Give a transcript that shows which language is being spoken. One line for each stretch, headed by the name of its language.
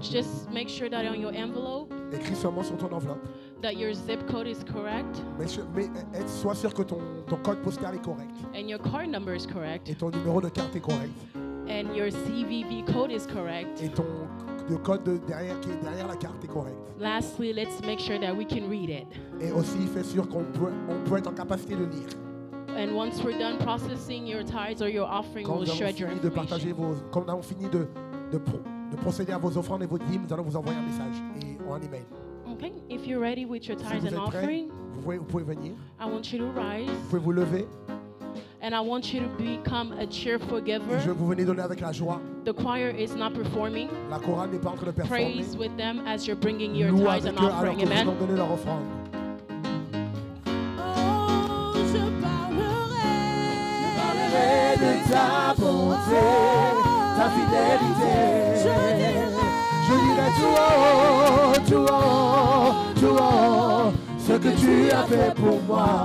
English: Just make sure that on your envelope.
French: Écris seulement sur ton enveloppe.
English: That your zip code is correct.
French: Mais sois sûr que ton code postal est correct.
English: And your card number is correct.
French: Et ton numéro de carte est correct.
English: And your CVV code is correct.
French: Et ton le code de derrière qui est derrière la carte est correct.
English: Lastly, let's make sure that we can read it.
French: Et aussi, fais sûr qu'on peut être en capacité de lire.
English: And once we're done processing your tithes or your offering, we'll share your information.
French: Quand on a fini de procéder à vos offrandes et vos dîmes, nous allons vous envoyer un message et un email.
English: Okay, if you're ready with your tithes
French: si
English: and offering,
French: vous pouvez venir.
English: I want you to rise.
French: Vous pouvez vous lever.
English: And I want you to become a cheerful giver.
French: Je veux vous venir donner avec la joie.
English: The choir is not performing.
French: La chorale n'est pas en train de performer.
English: Praise with them as you're bringing your tithes and offering.
French: Alors amen. Vous donner leur offrande. Oh, je parlerai de ta bonté, ta fidélité. Je dirai tout en haut, ce que tu as fait pour moi.